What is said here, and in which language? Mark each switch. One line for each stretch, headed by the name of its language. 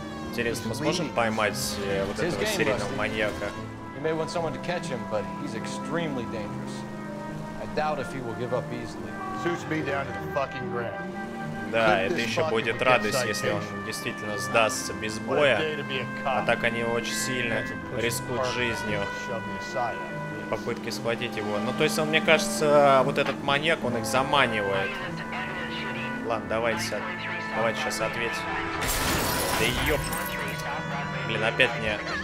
Russian: Интересно, мы сможем поймать вот этого серийного маньяка?
English: You may want someone to catch him, but he's extremely dangerous. I doubt if he will give up easily. Suits me down to the fucking ground.
Russian: Да, это еще будет радость, если он действительно сдастся без боя. А так они очень сильно рискуют жизнью в попытке схватить его. Ну, то есть он, мне кажется, вот этот маньяк, он их заманивает. Ладно, давайте сейчас ответим. Да ёп! Блин, опять мне...